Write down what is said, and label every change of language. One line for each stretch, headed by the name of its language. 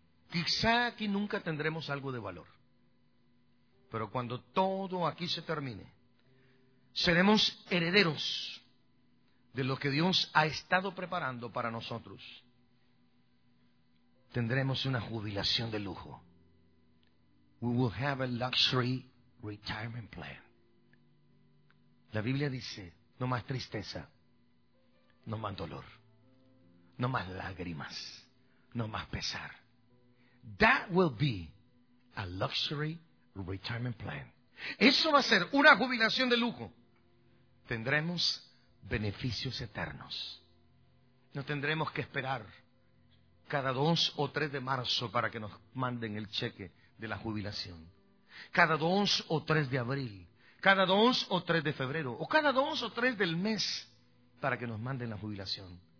Spanish: Quizá aquí nunca tendremos algo de valor. Pero cuando todo aquí se termine, seremos herederos de lo que Dios ha estado preparando para nosotros. Tendremos una jubilación de lujo.
English: We will have a luxury retirement plan.
Spanish: La Biblia dice, no más tristeza. No más dolor, no más lágrimas, no más pesar.
English: That will be a luxury retirement plan.
Spanish: Eso va a ser una jubilación de lujo. Tendremos beneficios eternos. No tendremos que esperar cada 2 o 3 de marzo para que nos manden el cheque de la jubilación. Cada 2 o 3 de abril, cada 2 o 3 de febrero, o cada 2 o 3 del mes para que nos manden la jubilación.